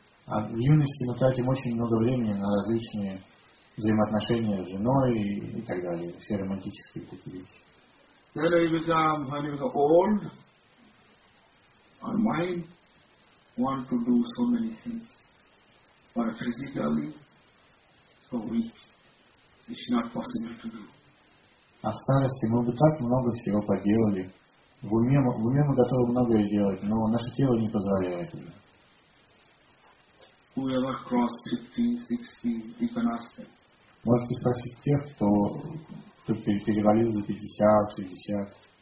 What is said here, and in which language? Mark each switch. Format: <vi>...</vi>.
<ru>А в юности мы тратим очень много времени на различные взаимоотношения с женой и так далее, все романтические такие вещи.</ru> <en>Then I become, when I become old, our mind wants to do so many things, but physically, so weak, it's not possible to do.</en> <ru>А в старости мы бы так много всего поделали. В уме мы готовы многое делать, но наше тело не позволяет уже.</ru> <en>Whoever crossed 15, 16, you can ask them.</en> <ru>Можете спросить тех, кто перевалил за 50, 60.</ru>